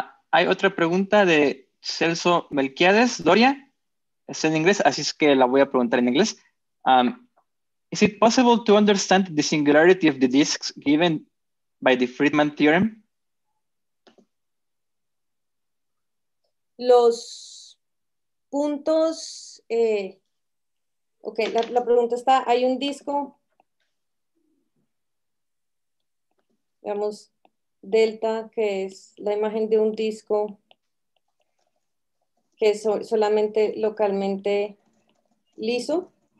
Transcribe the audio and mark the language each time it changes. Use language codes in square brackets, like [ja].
[es] Hay otra pregunta de Celso Melquiades. Doria, está en inglés, así es que la voy a preguntar en inglés. [en] Is it possible to understand the singularity of the disks given by the Friedman theorem? [es] Los puntos, ok, la pregunta está, hay un disco, digamos, delta, que es la imagen de un disco que es solamente localmente liso.